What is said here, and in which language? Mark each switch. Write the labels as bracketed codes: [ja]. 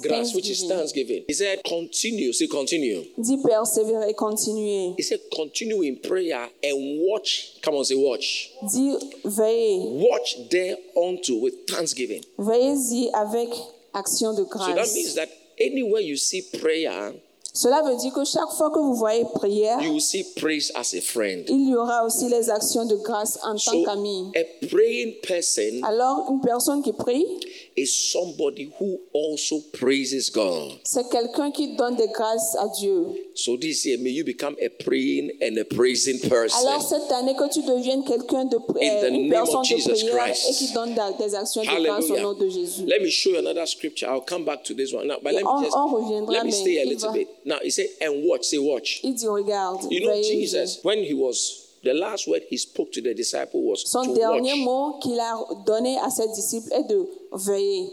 [en] Grâce, which is thanksgiving. He said, continue. Say, continue. [fr] Dit persévérer, continuer. [en] He said, continue in prayer and watch. Come on, say, watch. [fr] Dit veillez. [en] Watch there unto with thanksgiving. [fr] Veillez-y avec action de grâce. [en] So that means that anywhere you see prayer, [fr] cela veut dire que chaque fois que vous voyez prière, [en] you will see praise as a friend. [fr] Il y aura aussi les actions de grâce en [en] so, [fr] tant qu'ami. [en] A praying person, [fr] alors une personne qui prie, [en] is somebody who also praises God. [fr] C'est quelqu'un qui donne des grâces à Dieu. [en] So this year, may you become a praying and a praising person. [fr] Alors cette année que tu deviennes quelqu'un de une personne de prière et qui donne des actions de grâce au nom de Jésus. [en] Let me show you another scripture. I'll come back to this one. Now, but let me stay a little bit. Now he said, and watch, say watch. [fr] Il dit, regarde, [en] you know Jesus, when he was, the last word he spoke to the disciple was [fr] son [en] to [fr] dernier [en] watch. [fr] Mot qu'il a donné à ses disciples est de veiller.